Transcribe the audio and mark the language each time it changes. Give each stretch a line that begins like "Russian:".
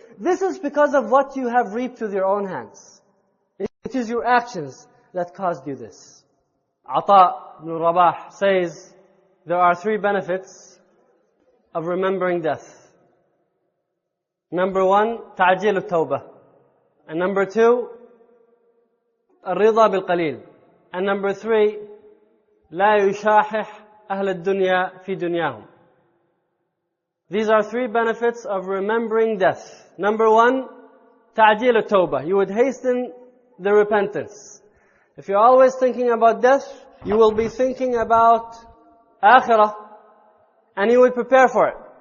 English: This is because of what you have reaped with your own hands. It is your actions that caused you this. Ata ibn Rabah says, there are three benefits of remembering death. Number one,
Arabic: تَعْجِيلُ التَّوْبَةِ.
English: And number two,
Arabic: الرضا بالقليل.
English: And number three,
Arabic: لا يشاحح أهل الدنيا في دنياهم.
English: These are three benefits of remembering death. Number one,
Arabic: تعجيل التوبة.
English: You would hasten the repentance. If you're always thinking about death, you will be thinking about akhirah, and you would prepare for it.